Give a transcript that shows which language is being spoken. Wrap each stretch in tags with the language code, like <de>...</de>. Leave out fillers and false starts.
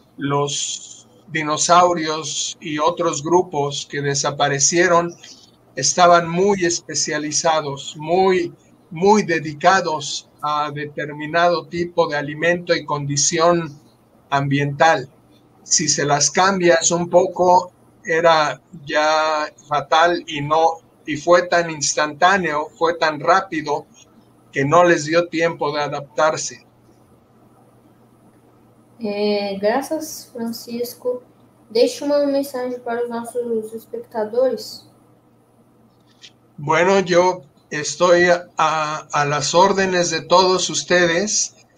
<es>Los dinosaurios y otros grupos que desaparecieron estaban muy especializados, muy, muy dedicados a determinado tipo de alimento y condición ambiental. Si se las cambias un poco, era ya fatal y fue tan instantáneo, fue tan rápido que no les dio tiempo de adaptarse. Gracias, Francisco.</es> <pt>Deixa uma mensagem para os nossos espectadores.</pt> <es>Bueno, yo estoy a las órdenes de todos ustedes.</es>